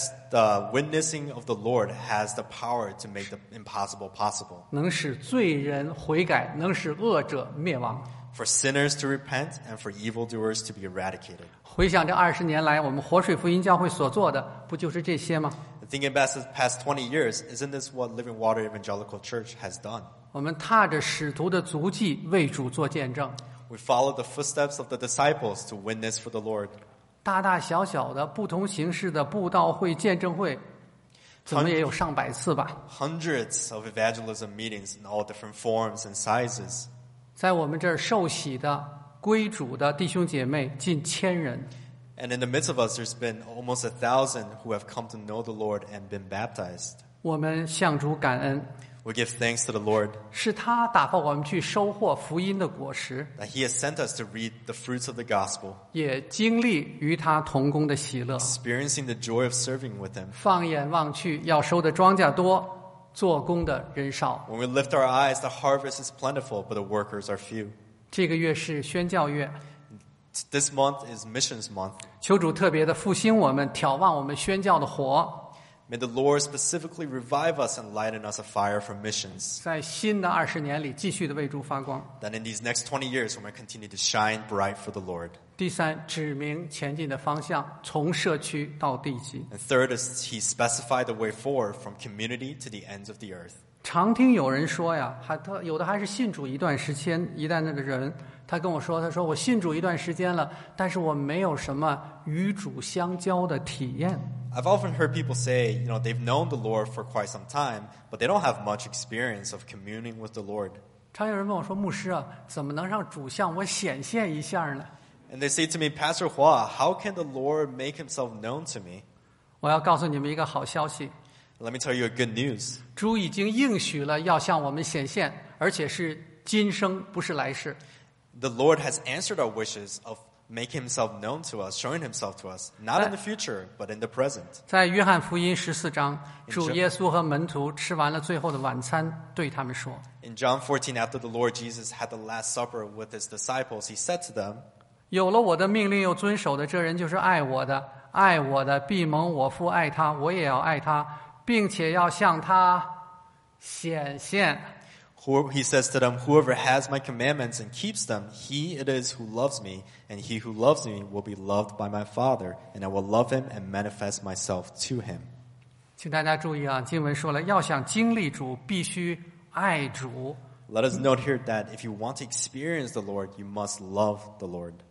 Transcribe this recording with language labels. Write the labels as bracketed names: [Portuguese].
[English] The witnessing of the Lord has the power to make the impossible possible. [Chinese] 能使罪人悔改，能使恶者灭亡。 [English] For sinners to repent and for evildoers to be eradicated. [Chinese] 回想这二十年来，我们活水福音教会所做的，不就是这些吗？ [English] Thinking about the past 20 years, isn't this what Living Water Evangelical Church has done? [Chinese] 我们踏着使徒的足迹为主做见证。 [English] We follow the footsteps of the disciples to witness for the Lord. [Chinese] 大大小小的不同形式的布道会、见证会，怎么也有上百次吧。 [English] Hundreds of evangelism meetings in all different forms and sizes. [Chinese] 在我们这儿受洗的、归主的弟兄姐妹近千人。 [English] And in the midst of us, there's been almost 1,000 who have come to know the Lord and been baptized. [Chinese] 我们向主感恩。 [English] We give thanks to the Lord. [Chinese] 是他打发我们去收获福音的果实。 [English] That he has sent us to reap the fruits of the gospel. [Chinese] 也经历与他同工的喜乐。 [English] Experiencing the joy of serving with him. [Chinese] 放眼望去，要收的庄稼多，做工的人少。 [English] When we lift our eyes, the harvest is plentiful, but the workers are few. [Chinese] 这个月是宣教月。 [English] This month is missions month. [Chinese] 求主特别的复兴我们，挑旺我们宣教的火。 [English] May the Lord specifically revive us and lighten us a fire for missions. [Chinese] 在新的二十年里继续的为主发光。 [English] That in these next 20 years, we may continue to shine bright for the Lord. [Chinese] 第三，指明前进的方向，从社区到地极。 [English] And third is he specified the way forward from community to the ends of the earth. [Chinese] 常听有人说呀，有的还是信主一段时间，一代那个人，他跟我说，他说我信主一段时间了，但是我没有什么与主相交的体验。 [English] I've often heard people say, you know, they've known the Lord for quite some time, but they don't have much experience of communing with the Lord. [Chinese] 常有人问我说，牧师啊，怎么能让主向我显现一下呢？ [English] And they say to me, Pastor Hua, how can the Lord make himself known to me? [Chinese] 我要告诉你们一个好消息。 [English] Let me tell you a good news. [Chinese] 主已经应许了要向我们显现，而且是今生，不是来世。 [English] The Lord has answered our wishes of make himself known to us, showing himself to us, not in the future, but in the present. [Chinese] 在约翰福音十四章，主耶稣和门徒吃完了最后的晚餐，对他们说。 [English] In John 14, after the Lord Jesus had the last supper with his disciples, he said to them, [Chinese] 有了我的命令又遵守的，这人就是爱我的，爱我的必蒙我父爱他，我也要爱他，并且要向他显现。 [English] He says to them, whoever has my commandments and keeps them, he it is who loves me, and he who loves me will be loved by my Father, and I will love him and manifest myself to him. [Chinese] 请大家注意啊，经文说了，要想经历主，必须爱主。 [English] Let us note here that if you want to experience the Lord, you must love the Lord.